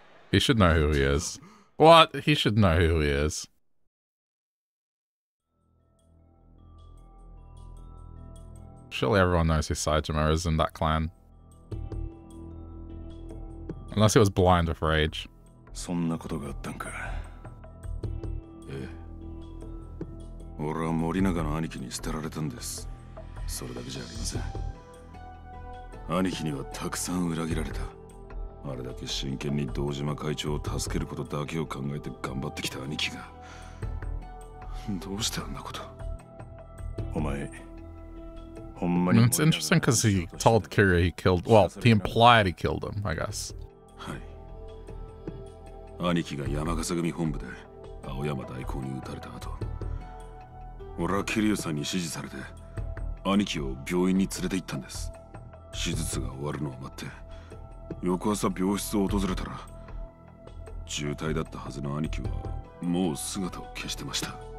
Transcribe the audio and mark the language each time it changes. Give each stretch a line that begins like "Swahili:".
English: He should know who he is. What? He should know who he is. Surely everyone knows who Saejima is in that clan. Unless he was blind with rage.
Japanese: そんなことがあったんか。俺は森永の兄貴に捨てられたんです。それだけじゃありません。兄貴にはたくさん裏切られた。あれだけ真剣に堂島会長を助けることだけを考えて頑張ってきた兄貴が。どうしてあんなこと。お前、ほんまに。
English: It's interesting because he told Kiryu he killed, well, he implied he killed him, I guess.
Japanese: はい。兄貴が山笠組本部で青山大光に撃たれた後。俺はキリュウさんに指示されて兄貴を病院に連れて行ったんです。手術が終わるのを待って翌朝病室を訪れたら重体だったはずの兄貴はもう姿を消してました。